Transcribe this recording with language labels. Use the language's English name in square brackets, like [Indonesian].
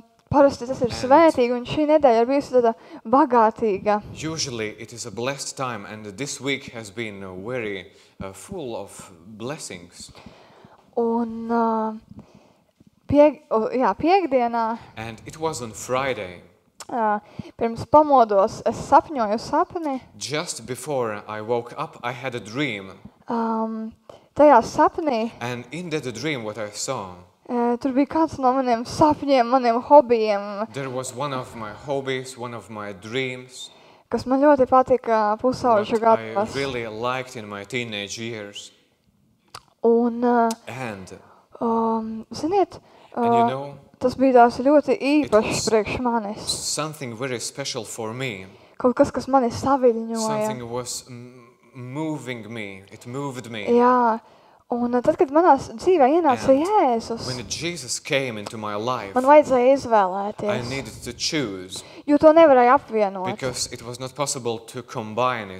[Latvian] Parasti tas ir svētīgi un šī nedēļa ir bijusi tāda bagātīga. [English] Usually it is a blessed time and this week has been very full of blessings. [Latvian] Un piekdienā. [English] And it was on Friday. [Latvian] Pirms pamodos es sapņoju sapni. [English] Just before I woke up I had a dream. [Latvian] Tajā sapnī. [English] And in that dream what I saw. [Latvian] Tur bija kāds no maniem sapņiem, maniem hobijiem. [English] There was one of my hobbies, one of my dreams. [Latvian] Kas man ļoti patika pusaužu gadās. [English] I really liked in my teenage years. [Latvian] Un [English] and [Latvian] ziniet, [English] and you know, [Latvian] tas bija tās ļoti īpašs priekš manis. [English] Something very special for me. [Latvian] Kaut kas, kas mani saviļņoja. [English] Something was moving me. It moved me. [Latvian] Jā. Un tad, kad manā dzīvē ienāca Jēzus, [English] when Jesus came into my life, [Latvian] man vajadzēja izvēlēties. [English] I needed to choose, [Latvian] jo to nevarēja apvienot. [English] Because it was not possible to combine it.